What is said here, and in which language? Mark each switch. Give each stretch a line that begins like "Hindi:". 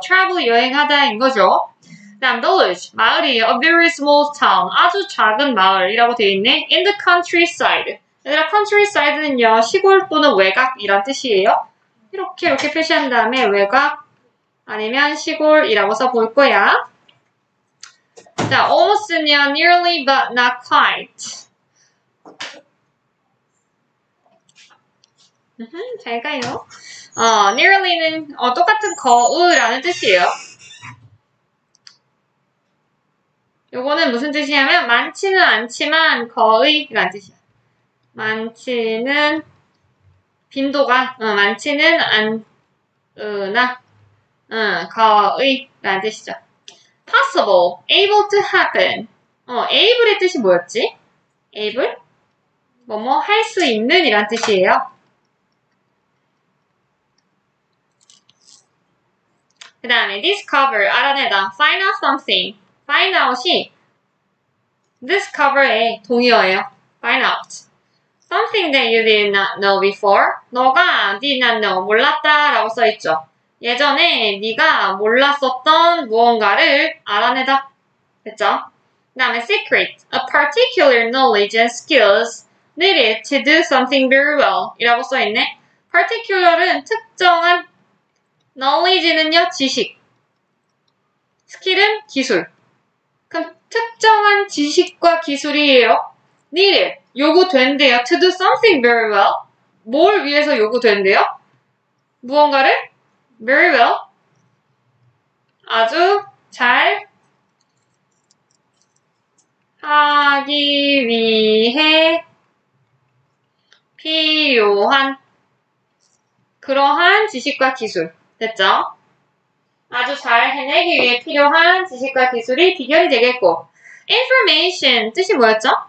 Korean: Travel, 여행하다인 거죠. 다음, village, 마을이
English: a very small town,
Korean: 아주 작은 마을이라고 되어 있네.
English: In the countryside.
Korean: 얘들아, countryside는요, 시골 또는 외곽 이란 뜻이에요. 이렇게 이렇게 표시한 다음에 외곽 아니면 시골이라고 써볼 거야.
English: 자, almost는요, nearly but not quite.
Korean: 잘 가요. Nearly는 똑같은 거의라는 뜻이에요. 요거는 무슨 뜻이냐면 많지는 않지만 거의라는 뜻이야. 많지는 빈도가 많지는 않으나 거의라는 뜻이죠.
English: Possible, able to happen.
Korean: Able의 뜻이 뭐였지?
English: Able?
Korean: 뭐뭐 할 수 있는이란 뜻이에요. 그 다음에
English: discover, 알아내다. Find out something. Find out이 discover의 동의어예요. Find out. Something that you did not know before.
Korean: 너가
English: did not know,
Korean: 몰랐다 라고 써있죠. 예전에 네가 몰랐었던 무언가를 알아내다. 됐죠? 그 다음에 secret.
English: A particular knowledge and skills needed to do something very well.
Korean: 이라고 써있네. Particular은 특정한 knowledge는요, 지식. 스킬은 기술. 그럼 특정한 지식과 기술이에요. needed, 요구된대요.
English: to do something very well.
Korean: 뭘 위해서 요구된대요? 무언가를
English: very well.
Korean: 아주 잘 하기 위해 필요한 그러한 지식과 기술. 됐죠? 아주 잘 해내기 위해 필요한 지식과 기술이 비결이 되겠고 Information 뜻이 뭐였죠?